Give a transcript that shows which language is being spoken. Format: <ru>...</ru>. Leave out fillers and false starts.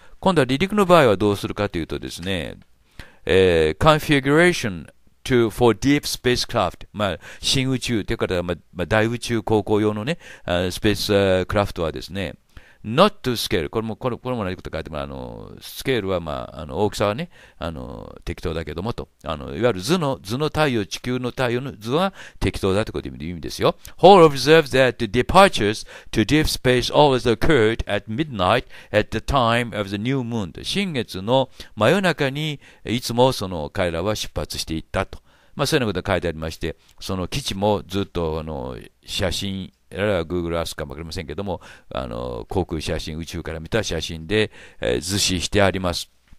<ja>今度は離陸の場合はどうするかというとですね、</ja> <en>configuration to for deep spacecraft、</en> <ja>まあ、新宇宙というか、まあ、大宇宙航行用のね、スペースクラフトはですね、</ja> <en>not to scale、</en> <ja>これも同じこと書いても、スケールは、まあ、大きさはね、適当だけどもと。いわゆる図の太陽、地球の太陽の図は適当だということで意味ですよ。</ja> <en>Hall observes that the departures to deep space always occurred at midnight at the time of the new moon.</en> <ja>新月の真夜中に、いつもその彼らは出発していったと。まあ、そういうことが書いてありまして、その基地もずっと、写真、あるいは Google Earth かもわかりませんけども、航空写真、宇宙から見た写真で、図示してあります。</ja>